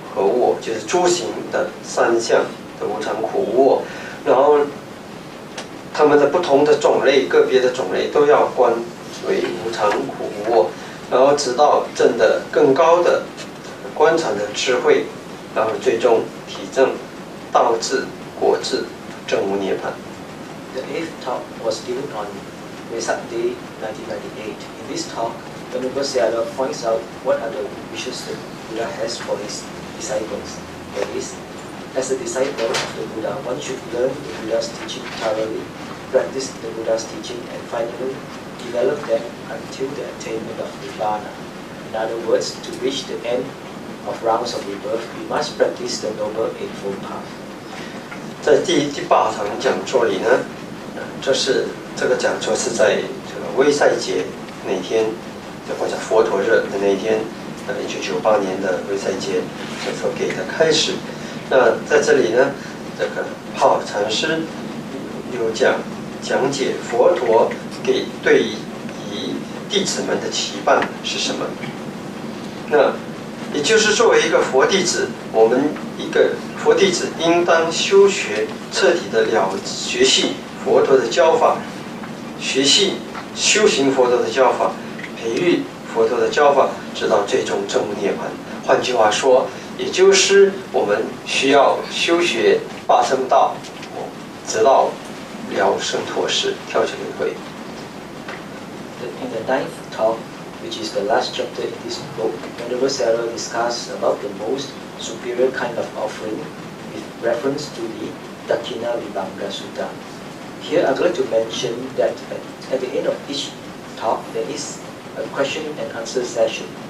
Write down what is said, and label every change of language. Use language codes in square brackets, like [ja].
[zh] 和我就是诸行的三相的无常苦我，然后他们的不同的种类，个别的种类都要观为无常苦我，然后直到证得更高的观禅的智慧，然后最终体证道智果智证悟涅槃。 [en] The eighth talk was given on Vesak Day 1998. In this talk, Venerable Sera points out what are the wishes that Buddha has for his. Disciples. That is, as a disciple of the Buddha, one should learn the Buddha's teaching thoroughly, practice the Buddha's teaching, and finally develop them until the attainment of Nirvana. In other words, to reach the end of rounds of rebirth, we must practice the Noble Eightfold Path. [zh] 在第八堂讲座里呢，这个讲座是在这个位赛节那天，或者佛陀日的那天，1998年的位赛节所给的开始。那在这里呢，这个泡禅师有讲解佛陀给对于弟子们的期盼是什么。那也就是作为一个佛弟子，我们一个佛弟子应当修学，彻底的了学习佛陀的教法，学习修行佛陀的教法，培育佛陀的教法，直到最终证悟涅槃。换句话说，也就是我们需要修学八圣道，直到了生脱世，跳出轮回。 [en] In the ninth talk, which is the last chapter in this book, Venerable Sera discusses about the most superior kind of offering with reference to the Dakina Vibhanga Sutta. Here I'd like to mention that at the end of each talk, there is a question and answer session.